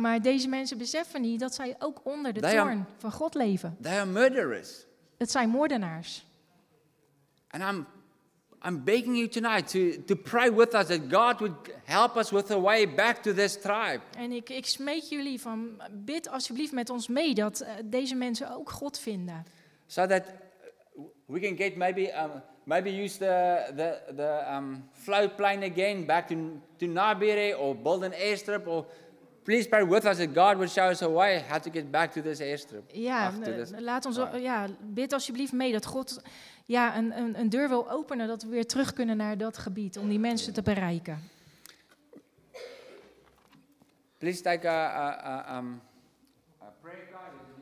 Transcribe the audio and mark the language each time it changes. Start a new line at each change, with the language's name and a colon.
Dutch: Maar deze mensen beseffen niet dat zij ook onder de toorn van God leven.
English: They are murderers.
Dutch: Het zijn moordenaars.
English: And I'm begging you tonight to pray with us that God would help us with a way back to this tribe.
Dutch: En ik smeek jullie van, bid alsjeblieft met ons mee dat deze mensen ook God vinden.
English: So that we can get maybe use the float plane again back to Nabire or build an airstrip, or please pray with us that God would show us a way how to get back to this airstrip.
Dutch: Ja, laat ons bid alsjeblieft mee dat God een deur wil openen dat we weer terug kunnen naar dat gebied om die mensen te bereiken.
English: Please take a prayer card.